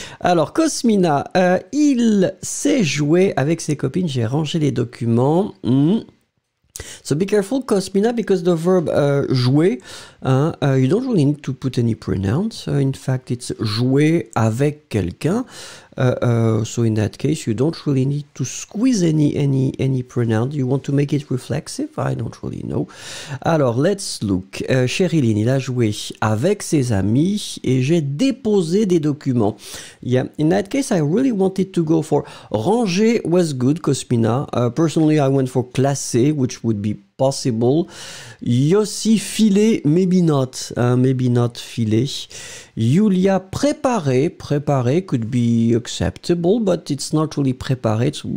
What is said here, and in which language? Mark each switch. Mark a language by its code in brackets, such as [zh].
[fr] Alors, Cosmina, il s'est joué avec ses copines, j'ai rangé les documents. [en] So be careful, Cosmina, because the verb jouer, you don't really need to put any pronouns. In fact, it's jouer avec quelqu'un. So in that case, you don't really need to squeeze any pronoun. You want to make it reflexive? I don't really know. Alors, let's look. [fr] Cheryline, il a joué avec ses amis et j'ai déposé des documents. [en] Yeah, in that case, I really wanted to go for ranger was good, Cosmina. Personally, I went for classer, which would be possible. Yossi, filé, maybe not filé. Julia, préparé could be acceptable, but it's not really préparé.